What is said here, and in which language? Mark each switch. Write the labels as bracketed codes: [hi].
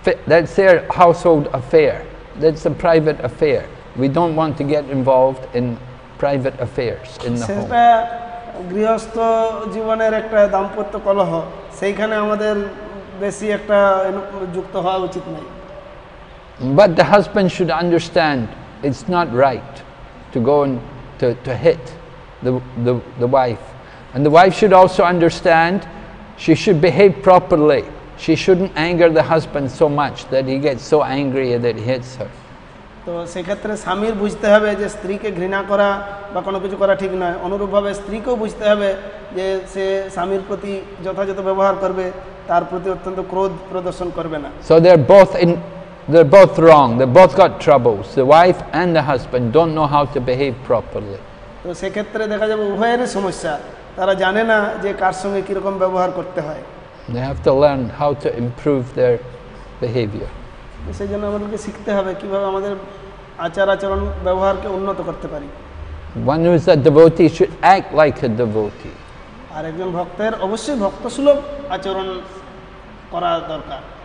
[en] that's their household affair, that's a private affair, we don't want to get involved in private affairs in the home. [bn] গৃহস্থ জীবনের একটা দাম্পত্য কলহ, সেইখানে আমাদের বেশি একটা যুক্ত হওয়া উচিত নাই. [en] But the husband should understand it's not right to go and to hit the wife. And the wife should also understand she should behave properly. She shouldn't anger the husband so much that he gets so angry that he hits her. [bn] তো সেক্ষেত্রে স্বামীর বুঝতে হবে যে স্ত্রীকে ঘৃণা করা বা কোনো কিছু করা ঠিক নয়, অনুরূপভাবে স্ত্রীকেও বুঝতে হবে যে সে স্বামীর প্রতি যথাযথ ব্যবহার করবে, তার প্রতি অত্যন্ত ক্রোধ প্রদর্শন করবে না. [en] So they're both wrong, they both got troubles, the wife and the husband don't know how to behave properly. [bn] তো সেক্ষেত্রে দেখা যাবে উভয়েরই সমস্যা, তারা জানে না যে কার সঙ্গে কীরকম ব্যবহার করতে হয়. [en] They have to learn how to improve their behavior. [bn] সেই জন্য আমাদেরকে শিখতে হবে কীভাবে আমাদের আচার আচরণ ব্যবহারকে উন্নত করতে পারি. [en] One who is a devotee should act like a devotee. [bn] আর একজন ভক্তের অবশ্যই ভক্তসুলভ আচরণ করা দরকার.